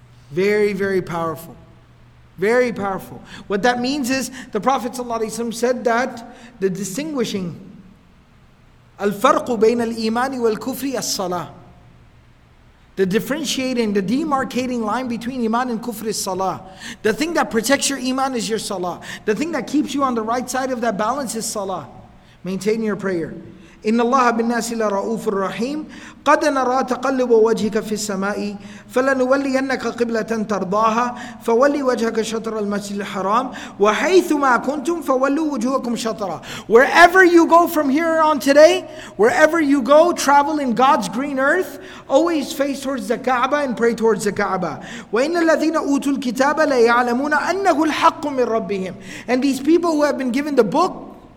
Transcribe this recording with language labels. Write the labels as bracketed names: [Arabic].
[English] Very, very powerful. Very powerful. What that means is the Prophet ﷺ said that the distinguishing [Arabic] الفرق بين الإيمان والكفر الصلاة. [English] The differentiating, the demarcating line between iman and kufr is salah. The thing that protects your iman is your salah. The thing that keeps you on the right side of that balance is salah. Maintain your prayer. [Arabic] إن الله بالناس لرؤوف رحيم قد نرى تقلب وجهك في السماء فلنولينك قبلة ترضاها فولي وجهك شطر المسجد الحرام وحيثما كنتم فولوا وجوهكم شطرا. [English] Wherever you go from here on today, wherever you go, travel in God's green earth, always face towards the Kaaba and pray towards the Kaaba. [Arabic] وإن الذين أوتوا الكتاب لا يعلمون أنه الحق من ربهم. [English] And these people who have been given the book,